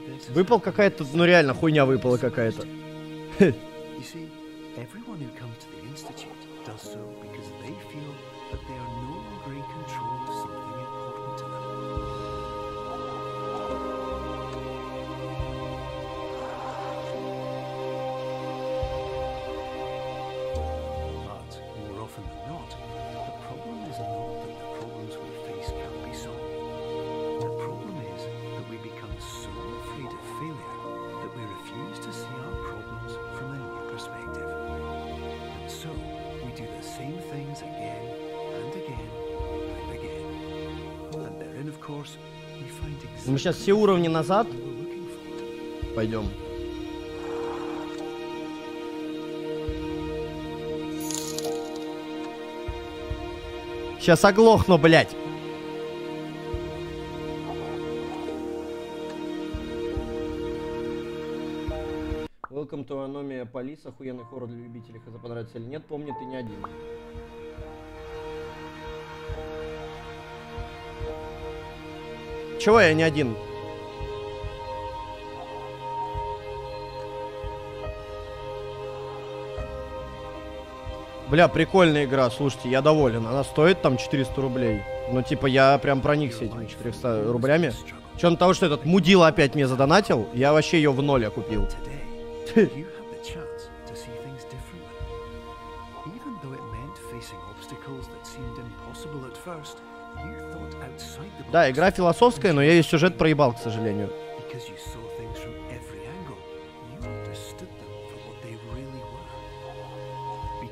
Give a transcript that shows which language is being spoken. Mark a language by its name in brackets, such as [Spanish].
[Russian] Выпал какая-то, ну реально, хуйня выпала какая-то. [English] Everyone who comes to the Institute does so because they feel that they are no longer in control of something important to them. But more often than not, the problem is not that the problems we face can't be solved. The problem is that we become so afraid of failure that we refuse to see our problems from a new perspective. And so, we do the same things again and again and again. And therein, of course, we find exactly... [Russian] Мы сейчас все уровни назад. Пойдем. Сейчас оглохну, блядь. [English] Welcome to Anomia Police, [Russian] охуенный хоррор для любителей, хотя понравится или нет, помни, ты не один. Чего я не один? Бля, прикольная игра, слушайте, я доволен. Она стоит там 400 рублей. Ну, типа, я прям проникся этими 400 рублями. Чем того, что этот мудила опять мне задонатил, я вообще ее в ноль окупил. [English] You had the chance to see things differently. Even though it meant facing obstacles that seemed impossible at first, you thought outside the box. [Russian] Да, игра философская, но я весь сюжет проебал, к сожалению. [English] Because you saw things from every angle, you understood them for what they really were.